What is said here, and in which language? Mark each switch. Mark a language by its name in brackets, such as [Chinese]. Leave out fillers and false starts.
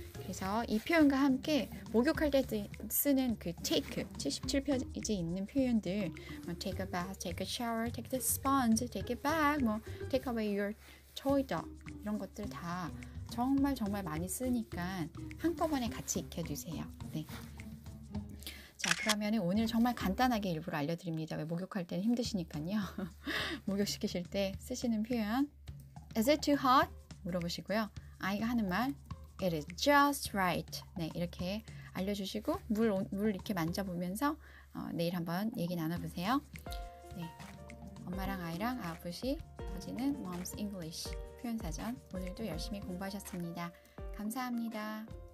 [Korean] 그래서 이 표현과 함께 목욕할 때 쓰는 그 take, 77페이지 있는 표현들, 뭐 [English] take a bath, take a shower, take the sponge, take it back, 뭐 take away your toy dog [Korean] 이런 것들 다 정말 정말 많이 쓰니까 한꺼번에 같이 익혀주세요. 네. 자, 그러면 오늘 정말 간단하게 일부러 알려드립니다. 왜 목욕할 때는 힘드시니까요. 목욕시키실 때 쓰시는 표현 [English] Is it too hot? [Korean] 물어보시고요. 아이가 하는 말 [English] It is just right. [Korean] 네, 이렇게 알려주시고 물 이렇게 만져보면서 내일 한번 얘기 나눠보세요. 네, 엄마랑 아이랑 아웃풋이 퍼지는 Mom's English 표현사전 오늘도 열심히 공부하셨습니다. 감사합니다.